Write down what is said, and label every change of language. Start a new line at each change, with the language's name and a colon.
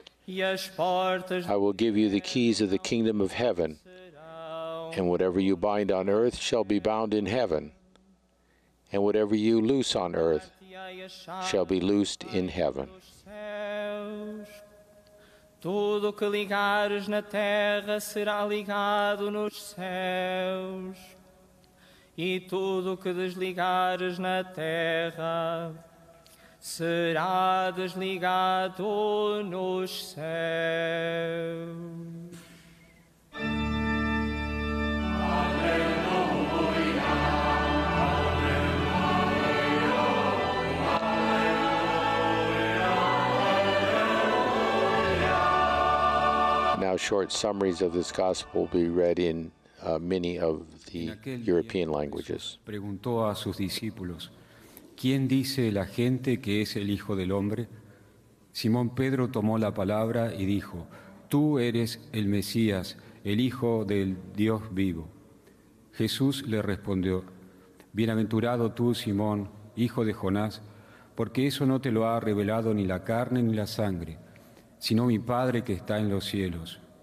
English: I will give you the keys of the kingdom of heaven, and whatever you bind on earth shall be bound in heaven, and whatever you loose on earth shall be loosed in heaven.
Portuguese: Tudo que ligares na terra será ligado nos céus, e tudo que desligares na terra será desligado nos céus.
English: Now, short summaries of this gospel will be read in many of the European languages.
Spanish: Preguntó a sus discípulos, ¿quién dice la gente que es el Hijo del Hombre? Simón Pedro tomó la palabra y dijo, tú eres el Mesías, el Hijo del Dios vivo. Jesús le respondió, bienaventurado tú, Simón, hijo de Jonás, porque eso no te lo ha revelado ni la carne ni la sangre, sino mi Padre que está en los cielos.